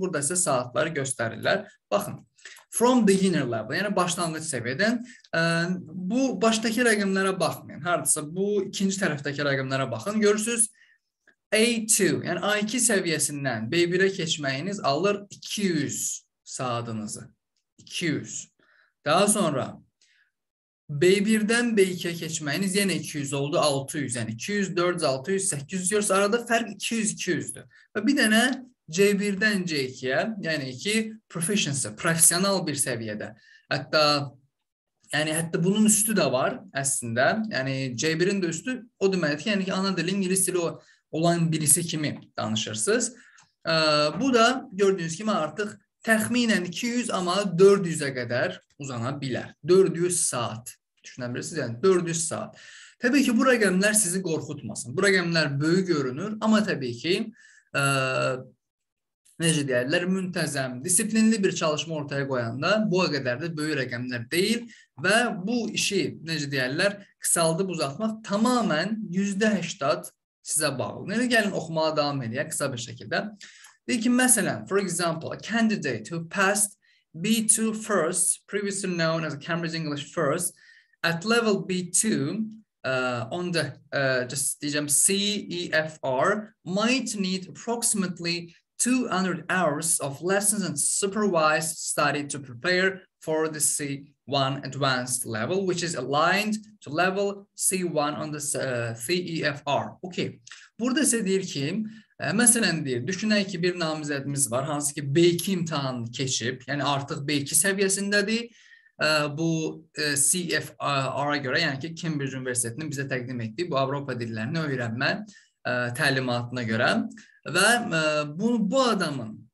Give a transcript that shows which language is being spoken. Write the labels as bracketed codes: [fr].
[az] Burada sizə saatları göstərirlər. Baxın, [en] from beginner level, [az] yəni başlanğıc səviyyədən. Bu başdakı rəqimlərə baxmayın. Hardasa bu ikinci tərəfdəki rəqimlərə baxın. Görürsünüz, A2, yəni A2 səviyyəsindən B1-ə keçməyiniz alır 200 saatınızı. 200. [tr] Daha sonra B1'den B2'ye geçmeyiniz yine 200 oldu, 600. Yani 200, 400, 600, 800 diyoruz. Arada fark 200-200'dü. Ve bir tane C1'den C2'ye, yani iki proficiency, profesyonel bir seviyede. Hatta yani hatta bunun üstü de var aslında. Yani C1'in de üstü o demektir. Yani ki ana dilin İngiliz dili olan birisi [az] kimi danışırsınız. [tr] Bu da gördüğünüz gibi artık təxminən 200 ama 400'e kadar uzana bilər. 400 saat. Düşünebilirsiniz, yani 400 saat. [az] Tabii ki bu rəqəmlər sizi qorxutmasın. Bu rəqəmlər böyük görünür, ama tabii ki necə deyirlər, müntəzəm, disiplinli bir çalışma ortaya qoyanda bu kadar da böyük rəqəmlər deyil və bu işi necə deyirlər, qısaldıb uzatmaq tamamen %80 sizə bağlı. Yani gəlin oxumağa devam edelim kısa bir şəkildə. Deyir ki, məsələn, [en] for example, a candidate who passed B2 first, previously known as Cambridge English first, at level B2 on the CEFR might need approximately 200 hours of lessons and supervised study to prepare for the C1 advanced level, which is aligned to level C1 on the CEFR. [az] Okay, burada ise deyir ki, məsələn deyir, düşünək ki, bir namizədimiz var, hansı ki B2 imtihanını keçib, yəni artıq B2 səviyyəsindədir bu CFR-a görə, yəni ki, Cambridge Universitetinin bizə təqdim etdiyi bu Avropa dillərini öyrənmə təlimatına görə və bu adamın